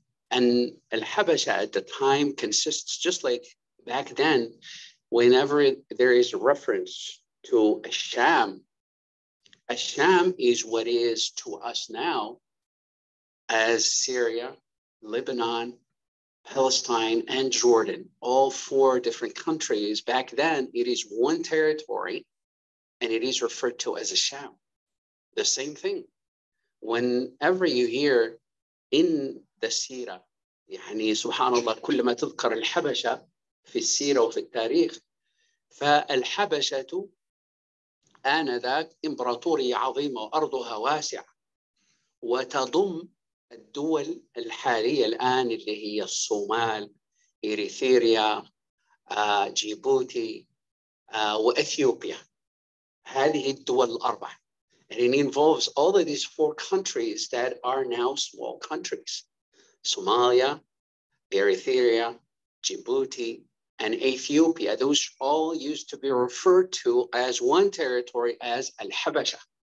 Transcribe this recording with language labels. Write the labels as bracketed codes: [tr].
[en] And Al-Habasha at the time consists, just like back then, whenever there is reference to Al-Sham, Al-Sham is what is to us now as Syria, Lebanon, Palestine and Jordan, all four different countries. Back then, it is one territory and it is referred to as a Sham. The same thing. Whenever you hear in the Sira, [ar] يعني سبحان الله كلما تذكر الحبشة في السيرة وفي التاريخ، فالحبشة آنذاك إمبراطورية عظيمة وأرضها واسعة وتضم الدول الحالية الآن اللي هي الصومال، إريثريا، جيبوتي، وأثيوبيا. هذه الدول الأربع. [en] And it involves all of these four countries that are now small countries. Somalia, Eritrea, Djibouti, and Ethiopia. Those all used to be referred to as one territory as Al-Habasha.